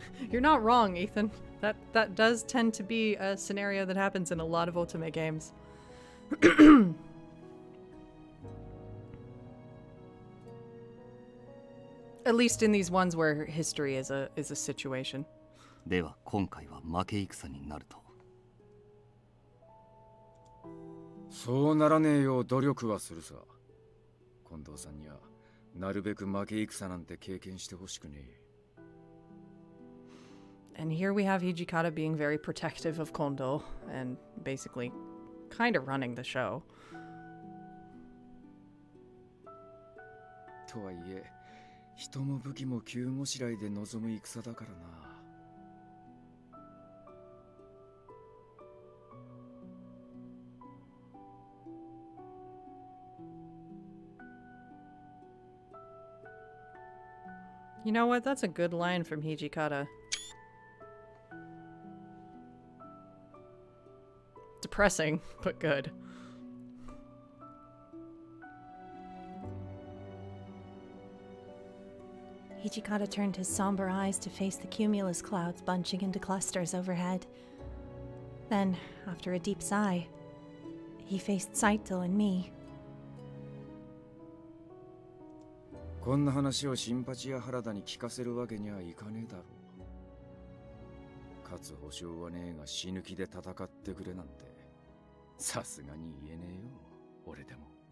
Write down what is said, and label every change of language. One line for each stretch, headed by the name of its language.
English: You're not wrong, Ethan. That does tend to be a scenario that happens in a lot of Ultima games. At least in these ones where history is a situation.
Japanese: では今回は負け戦になると。そうならねえよう努力はするさ。近藤さんにはなるべく負け戦なんて経験してほしくねえ。
English: And here we have Hijikata being very protective of Kondo and basically kind of running the show.
Japanese: とはいえ。人も武器も急ごしらえで臨む戦だからな。
English: You know what? That's a good line from Hijikata. Depressing, but good. Hijikata turned his somber eyes to face the cumulus clouds bunching into clusters overhead. Then, after a deep sigh, he faced Saito and me.
Japanese: こんな話をシンパチや原田に聞かせるわけにはいかねえだろう。勝つ保証はねえが死ぬ気で戦ってくれなんて、さすがに言えねえよ、俺でも。